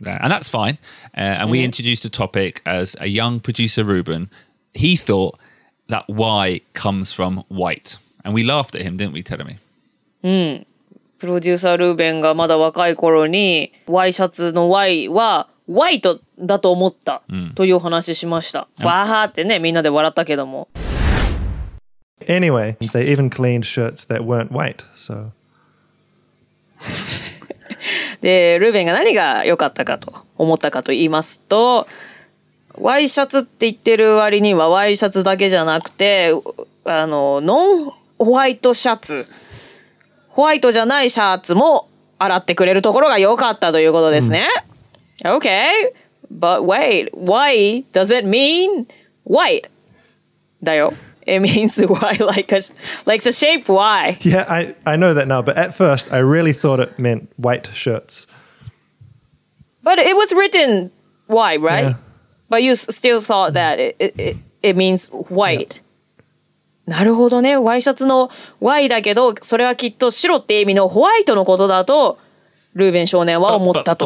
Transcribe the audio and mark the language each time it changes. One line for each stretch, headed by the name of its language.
English: And that's fine.、And、mm. we introduced a topic as a young producer, Ruben. He thought that Y comes from white. And we laughed at him, didn't we, Terumi? うん。
Japanese: プロデューサールーベンがまだ若い頃に、ワイシャツのワイはワイトだと思った、うん、というお話しました。わーってね、みんなで笑ったけども。
English: Anyway, they even cleaned shirts that weren't white, so...
Japanese: で、ルーベンが何が良かったかと思ったかと言いますと、ワイシャツって言ってる割にはワイシャツだけじゃなくて、あの、ノンホワイトシャツ、ホワイトじゃないシャツも洗ってくれるところが良かったということですね。 Mm.
English: Okay, but wait, why does it mean white?
Japanese: だよ。
English: It means why, like the shape why. Yeah, I know that now, but at first I really thought it meant white shirts. But it was written why, right?、 Yeah. But you still thought that it means white.、 Yeah.
Japanese: なるほどね。ワイシャツの Y だけど、それはきっと白って意味のホワイトのことだとルーベン少年は思ったと。